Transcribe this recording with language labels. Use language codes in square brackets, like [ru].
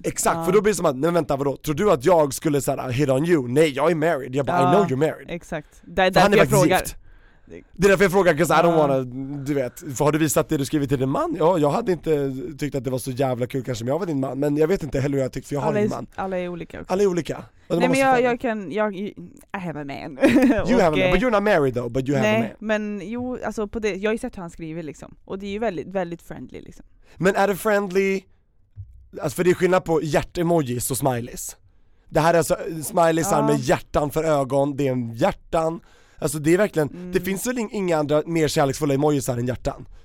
[sv] Exakt, för då blir det som att, nej, vänta, vadå? Tror du att jag skulle så här, [en] hit on you? [sv] Nej, jag är married. Jag bara, [en] I know you're married. [sv] Exakt. Det är därför jag frågar. Gift. Det är därför jag frågar, [en] because I don't wanna, [sv] du vet. För har du visat det du skrivit till din man? Ja, jag hade inte tyckt att det var så jävla kul kanske om jag var din man. Men jag vet inte heller hur jag tyckte, för jag har en man. Alla är olika också. Alla är olika. Nej, men jag kan, [en] I have a man. You have a man, but you're not married though, but you have a man. [sv] Men jo, alltså på det, jag har ju sett hur han skriver liksom. Och det är ju väldigt, väldigt friendly liksom. Men är det friendly, alltså, för det är skillnad på hjärtemojis och smileys. Det här är alltså smileysar med hjärtan för ögon, det är en hjärtan. Alltså det är verkligen, det finns väl inga andra mer kärleksfulla emojis här än hjärtan.